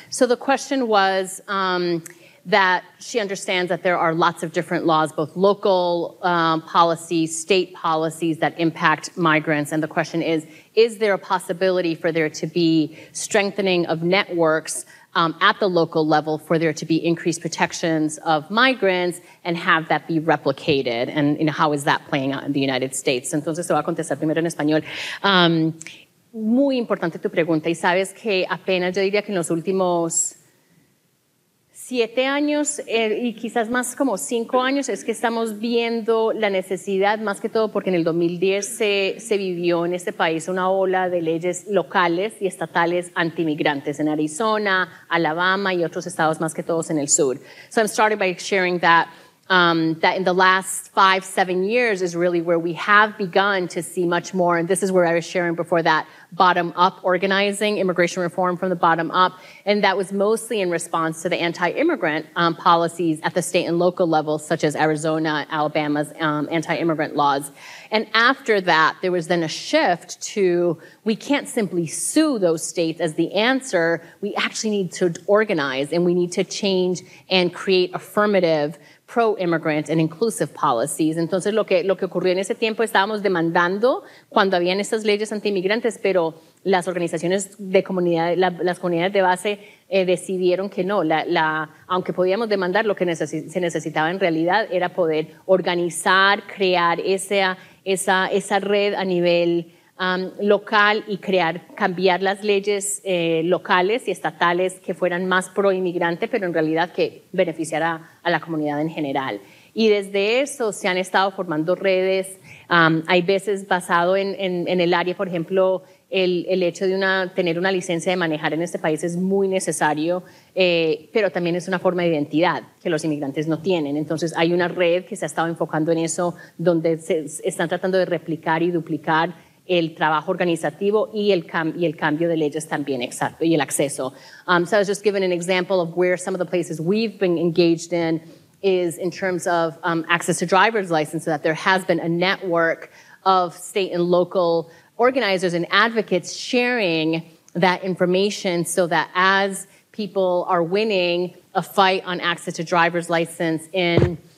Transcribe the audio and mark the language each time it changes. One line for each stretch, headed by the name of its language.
English: So the question was that she understands that there are lots of different laws, both local policies, state policies that impact migrants. And the question is there a possibility for there to be strengthening of networks at the local level for there to be increased protections of migrants and have that be replicated? And you know, how is that playing out in the United States?
Spanish: Entonces, te voy a contestar primero en español. Muy importante tu pregunta. Y sabes que apenas, yo diría que en los últimos 7 años y quizás más como 5 años es que estamos viendo la necesidad, más que todo porque en el 2010 se vivió en este país una ola de leyes locales y estatales antimigrantes en Arizona, Alabama y otros estados, más que todos en el sur.
English: So I'm starting by sharing that that in the last 5-7 years is really where we have begun to see much more, and this is where I was sharing before that bottom-up organizing, immigration reform from the bottom up, and that was mostly in response to the anti-immigrant policies at the state and local level, such as Arizona, Alabama's anti-immigrant laws. And after that, there was then a shift to, we can't simply sue those states as the answer, we actually need to organize, and we need to change and create affirmative pro-immigrant and inclusive policies.
Spanish: Entonces, lo que ocurrió en ese tiempo, estábamos demandando cuando habían esas leyes anti-inmigrantes, pero las organizaciones de comunidad, las comunidades de base decidieron que no. Aunque podíamos demandar, lo que se necesitaba en realidad era poder organizar, crear esa red a nivel local y cambiar las leyes locales y estatales que fueran más pro-inmigrante, pero en realidad que beneficiara a la comunidad en general. Y desde eso se han estado formando redes. Hay veces basado en el área, por ejemplo, el hecho de tener una licencia de manejar en este país es muy necesario, pero también es una forma de identidad que los inmigrantes no tienen. Entonces hay una red que se ha estado enfocando en eso, donde se están tratando de replicar y duplicar el trabajo organizativo y el cambio de leyes también, exacto, y el acceso.
English: So I was just given an example of where some of the places we've been engaged in is in terms of access to driver's license, so that there has been a network of state and local organizers and advocates sharing that information, so that as people are winning a fight on access to driver's license in